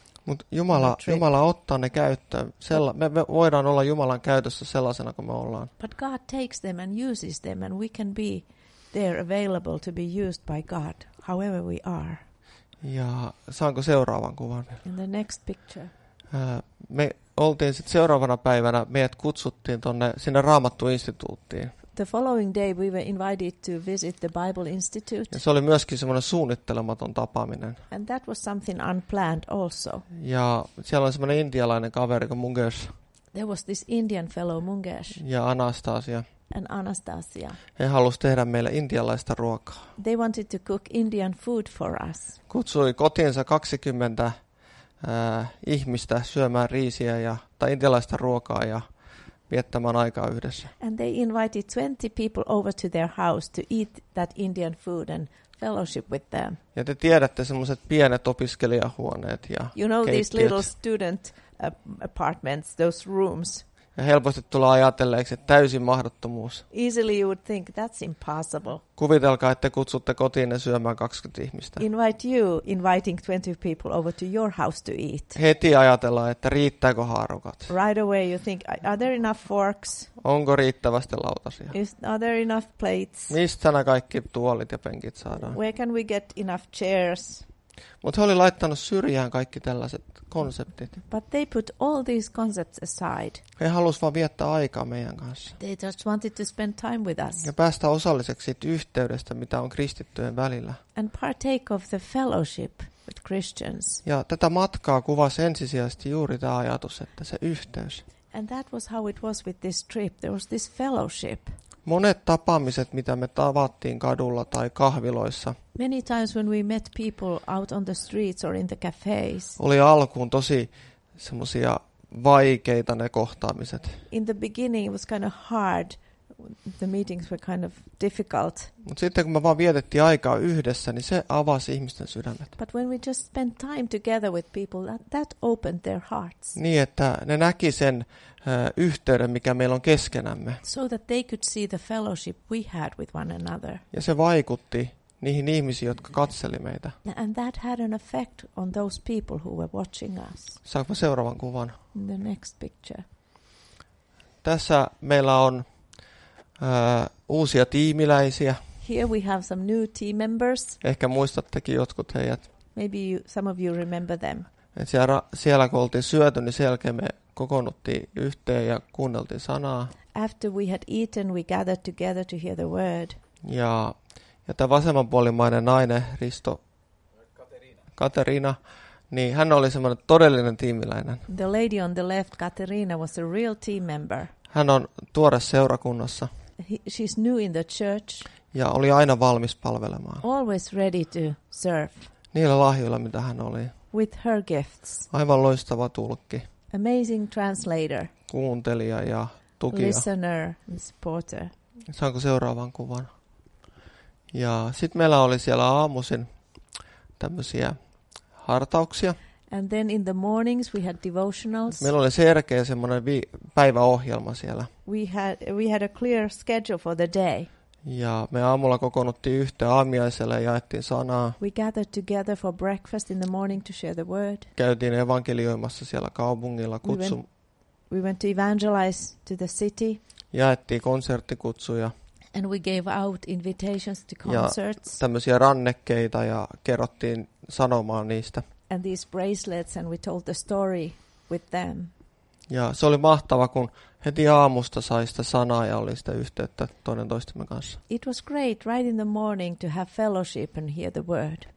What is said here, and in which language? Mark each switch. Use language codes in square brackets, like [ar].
[fi] Mutta Jumala ottaa ne käyttöön. Me voidaan olla Jumalan käytössä sellaisena kuin me ollaan. [en] But God takes them and uses them and we can be there available to be used by God, however we are. [fi] Ja saanko seuraavan kuvan? [en] In the next picture. [fi] Me oltiin sitten seuraavana päivänä, meidät kutsuttiin tuonne sinne Raamattu-instituuttiin. [en] The following day we were invited to visit the Bible Institute. [fi] Ja se oli myöskin semmoinen suunnittelematon tapaaminen. [en] And that was something unplanned also. [fi] Ja siellä oli semmoinen intialainen kaveri kuin Mungesh. [en] There was this Indian fellow Mungesh. [fi] Ja Anastasia. [en] And Anastasia. [fi] He halusi tehdä meille intialaista ruokaa. [en] They wanted to cook Indian food for us. [fi] Kutsui kotiinsa 20 ihmistä syömään riisiä ja tai intialaista ruokaa ja viettämään aikaa yhdessä. [en] And they invited 20 people over to their house to eat that Indian food and fellowship with them. [fi] Ja te tiedätte semmoiset pienet opiskelijahuoneet ja [en] you know [fi] keittiöt. [en] These little student apartments, those rooms. [fi] Ja helposti tulee ajatelleeksi, että täysin mahdottomuus. [en] Easily you would think that's impossible. [fi] Kuvitelkaa, että kutsutte kotiin ne syömään 20 ihmistä. [en] Invite you inviting 20 people over to your house to eat. [fi] Heti ajatellaan, että riittääkö haarukat. [en] Right away you think, are there enough forks? [fi] Onko riittävästi lautasia? [en] Are there enough plates? [fi] Mistä nämä kaikki tuolit ja penkit saadaan? [en] Where can we get enough chairs? [fi] Mutta he oli laittanut syrjään kaikki tällaiset konseptit. [en] But they put all these concepts aside. [fi] He halusivat vain viettää aikaa meidän kanssa. [en] They just wanted to spend time with us. [fi] Ja päästä osalliseksi yhteydestä, mitä on kristittyjen välillä. [en] And partake of the fellowship with Christians. [fi] Ja tätä matkaa kuvasi ensisijaisesti juuri tämä ajatus, että se yhteys. [en] And that was how it was with this trip. There was this fellowship. [fi] Monet tapaamiset, mitä me tavattiin kadulla tai kahviloissa. [en] Many times when we met people out on the streets or in the cafes. [fi] Oli alkuun tosi semmoisia vaikeita ne kohtaamiset. [en] In the beginning it was kind of hard the meetings were kind of difficult. [fi] Mut sitten kun me vaan vietettiin aikaa yhdessä, niin se avasi ihmisten sydämet. [en] But when we just spent time together with people, that opened their hearts. [fi] Niin että ne näki sen yhteyden, mikä meillä on keskenämme. [en] So that they could see the fellowship we had with one another. [fi] Ja se vaikutti niihin ihmisiin, jotka katseli meitä. [en] And that had an effect on those people who were watching us. [fi] Saanko mä seuraavan kuvan? [en] The next picture. [fi] Tässä meillä on uusia tiimiläisiä. [en] Here we have some new team members. [fi] Ehkä muistattekin jotkut heidät. [en] Maybe you, some of you remember them. [fi] Et siellä kun oltiin syöty, niin sen jälkeen me kokoonnuttiin yhteen ja kuunneltiin sanaa. [en] After we had eaten, we gathered together to hear the word. [fi] Ja tämä vasemmanpuolimainen nainen, Risto, Katerina, niin hän oli semmoinen todellinen tiimiläinen. [en] The lady on the left, Katerina, was a real team member. [fi] Hän on tuore seurakunnassa. [en] She's new in the church. [fi] Ja oli aina valmis palvelemaan. [en] Always ready to serve. [fi] Niillä lahjoilla, mitä hän oli. [en] With her gifts. [fi] Aivan loistava tulkki. [en] Amazing translator. [fi] Kuuntelija ja tukija. [en] Listener and supporter. [fi] Saanko seuraavan kuvan? Ja sitten meillä oli siellä aamuisin tämmöisiä hartauksia. [en] And then in the mornings we had devotionals. [fi] Meillä oli selkeä semmoinen päiväohjelma siellä. [en] We had a clear schedule for the day. [fi] Ja me aamulla kokoonnuttiin yhteen aamiaiselle ja jaettiin sanaa. [en] We gathered together for breakfast in the morning to share the word. [fi] Käytiin evankelioimassa siellä kaupungilla kutsu. [en] We went to evangelize to the city. [fi] Jaettiin konserttikutsuja. [en] And we gave out invitations to concerts. [fi] Ja tämmöisiä rannekkeita ja kerrottiin sanomaan niistä. [en] And these bracelets, and we told the story with them. [fi] Ja se oli mahtava, kun heti aamusta sai sitä sanaa ja oli sitä yhteyttä toinen toistemme kanssa. [en] It was great right in the morning to have fellowship and hear the word.